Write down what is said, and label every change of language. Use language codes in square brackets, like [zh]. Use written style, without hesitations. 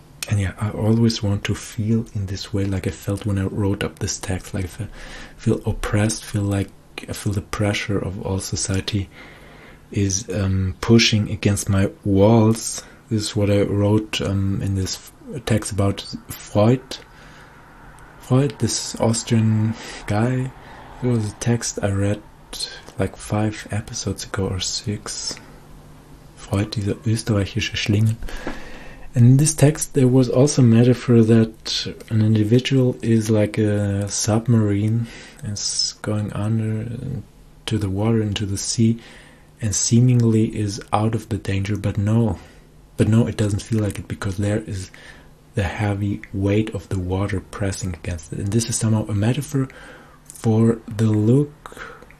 [en] And yeah, I always want to feel in this way, like I felt when I wrote up this text, like I feel oppressed, feel like I feel the pressure of all society is pushing against my walls. This is what I wrote in this text about Freud, this Austrian guy. It was a text I read like 5 episodes ago or 6. [de] Freud, dieser österreichische Schlingel. [en] In this text, there was also a metaphor that an individual is like a submarine, is going under to the water, into the sea, and seemingly is out of the danger, but no, it doesn't feel like it, because there is the heavy weight of the water pressing against it. And this is somehow a metaphor for the look